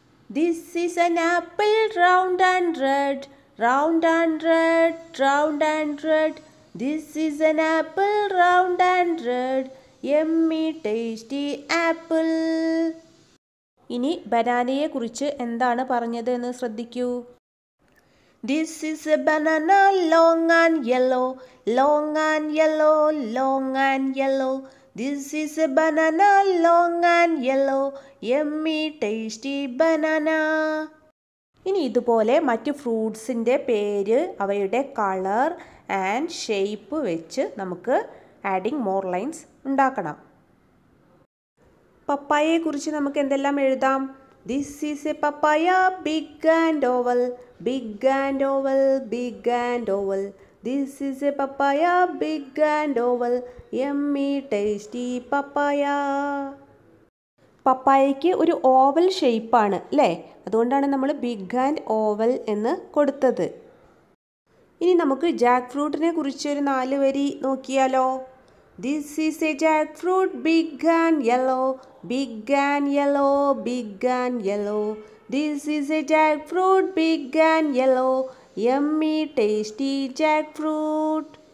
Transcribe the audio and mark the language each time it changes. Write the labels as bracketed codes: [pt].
[en] This is an apple round and red, round and red, round and red. This is an apple round and red, yummy tasty apple. [ml] ഇനി ബനാനയെ കുറിച്ച് എന്താണ് പറഞ്ഞത് എന്ന് ശ്രദ്ധിക്കൂ. [en] This is a banana long and yellow, long and yellow, long and yellow. This is a banana long and yellow, yummy tasty banana. [ml] ഇനി ഇതുപോലെ മറ്റ് ഫ്രൂട്ട്സിൻ്റെ പേര്, അവയുടെ കളർ ആൻഡ് ഷേപ്പ് വെച്ച് നമുക്ക് [en] adding more lines [ml] ഉണ്ടാക്കണം. പപ്പായയെക്കുറിച്ച് നമുക്ക് എന്തെല്ലാം എഴുതാം? [en] This is a papaya big and oval, big and oval, big and oval. This is a papaya big and oval, yummy tasty papaya. [ml] പപ്പായയ്ക്ക് ഒരു ഓവൽ ഷേപ്പാണ് അല്ലേ, അതുകൊണ്ടാണ് നമ്മൾ [en] big and oval [ml] എന്ന് കൊടുത്തത്. ഇനി നമുക്ക് ജാക്ക് ഫ്രൂട്ടിനെ കുറിച്ച് ഒരു നാല് വരി നോക്കിയാലോ. [en] This is a jackfruit big and yellow, big and yellow, big and yellow. This is a jackfruit big and yellow, yummy tasty jackfruit.